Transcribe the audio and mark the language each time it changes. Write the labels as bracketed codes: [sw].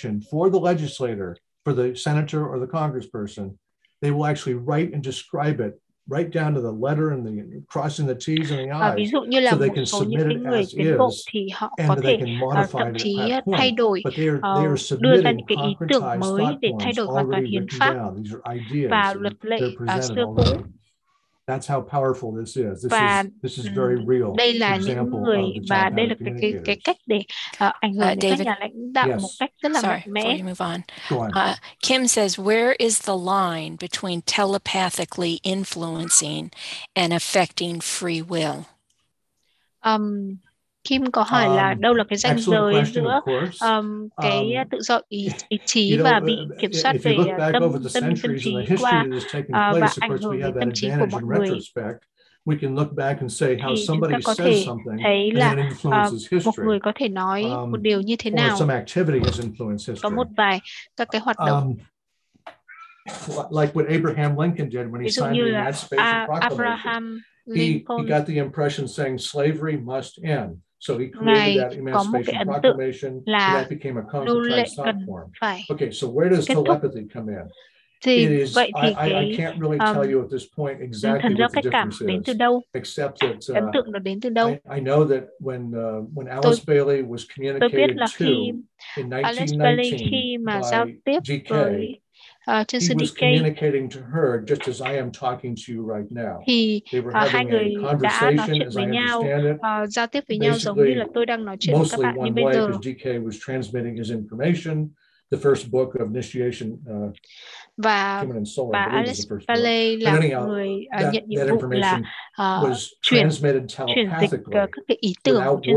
[en] For the legislator, for the senator or the congressperson, they will actually write and describe it right down to the letter and the crossing the T's and the I's. [vi] Ví dụ như là một số những người tiến bộ thì họ có thể thậm chí thay đổi, đưa ra những cái ý tưởng mới để thay đổi hoàn toàn hiến pháp và luật lệ xưa cũ. [en] That's how powerful this is. This is very real. [vi] Đây là những người và đây là cái cách để ảnh hưởng đến các nhà lãnh đạo một cách rất là mạnh mẽ. [en] Sorry, move on. Kim says, where is the line between telepathically influencing and affecting free will? [vi] Kim có hỏi là đâu là cái ranh giới giữa cái tự do ý chí và bị kiểm soát về tâm trí qua và ảnh hưởng đến tâm trí của mọi người. [en] We can look back and say how somebody says something [vi] thấy là, [en] and influences history. [vi] Một người có thể nói một điều như thế nào? [en] Or some activity has influenced history. [vi] Có một vài các cái hoạt động. [en] Like what Abraham Lincoln did when he signed the Emancipation Proclamation. He got the impression saying slavery must end. So he created that Emancipation Proclamation, that became a contract sign form. Okay, so where does telepathy come in? I can't really tell you at this point exactly what the difference is, except that [vi] ấn tượng nó đến từ đâu? [en] I know that when Alice Bailey was communicated to in 1919 by GK, [vi] trên sự [en] DK, communicating to her just as I am talking to you right now. [vi] Thì hai người đã nói chuyện với nhau, giao tiếp với nhau giống như là tôi đang nói chuyện với các bạn như bây giờ. [en] Because DK was transmitting his information, the first book of initiation, [vi] và [en] Soul, [vi] bà Alice Bailey là người nhận nhiệm vụ là chuyển dịch các cái ý tưởng trên